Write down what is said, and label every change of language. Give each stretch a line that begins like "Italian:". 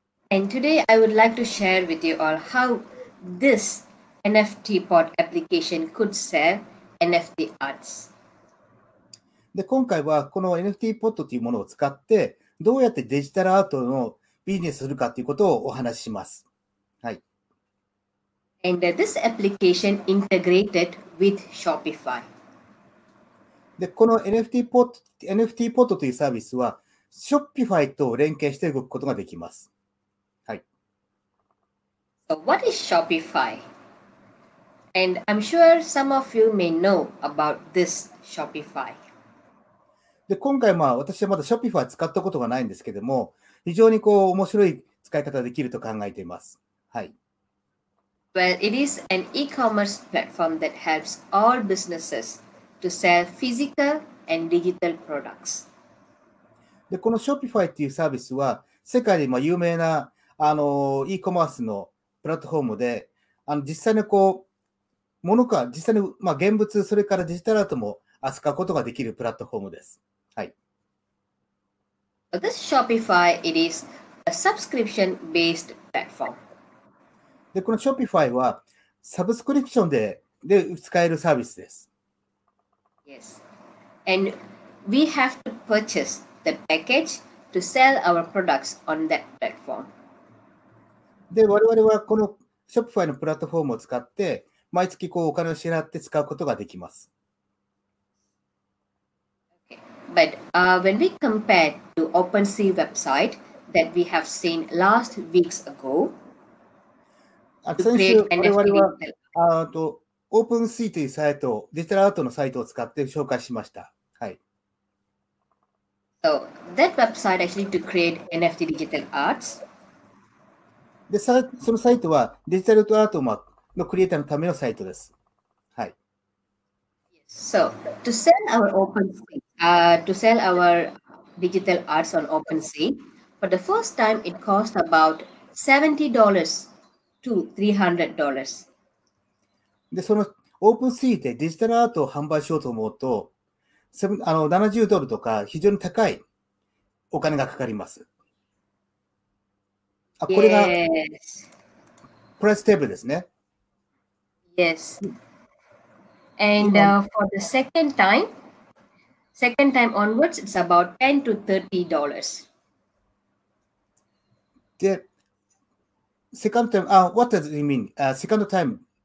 English: And today I would like to share with you all how this NFT port application could sell NFT arts.
Japanese: で、今回はこの NFT ポットというものを使ってどうやってデジタルアートのビジネスするかということをお話しします。はい。
English: And this application integrated with Shopify.
Japanese: で、この NFT ポットというサービスは Shopify と連携して動くことができます。
English: So what is Shopify? And I'm sure some of you may know about this Shopify.
Japanese: で、今回まあ私はまだ Shopify 使ったことがないんですけども、非常にこう面白い使い方ができると考えています。はい。
English: Well, it is an e-commerce platform that helps all businesses to sell physical and digital products.
Japanese: で、この Shopify っていうサービスは世界でまあ有名なe-commerce のプラットフォームで、実際にこう、ものか、実際に、まあ、現物、それからデジタルアートも扱うことができるプラットフォームです。はい。
English: This Shopify, it is a subscription-based platform.
Japanese: で、この Shopify は、サブスクリプションで、使えるサービスです。
English: Yes. And we have to purchase the package to sell our products on that platform.
Japanese: で、我々はこの Shopify のプラットフォームを使って、毎月こうお金を支払って使うことができます。
English: Okay. But when we compare to OpenSea website that we have seen last weeks ago,
Japanese: 先週我々は OpenSea というサイト、デジタルアートのサイトを使って紹介しました。はい。
English: So that website actually to create NFT digital arts.
Japanese: で、そのサイトはデジタルアートのクリエイターのためのサイトです。はい。
English: So, to sell our digital arts on OpenSea, for the first time, it cost about $70 to $300.
Japanese: で、その OpenSea でデジタルアートを販売しようと思うと、70ドルとか非常に高いお金がかかります。あ、これがプライステーブルですね。
English: Yes. And for the second time onwards, it's about $10 to $30. で、Second time, what does it mean? Second time.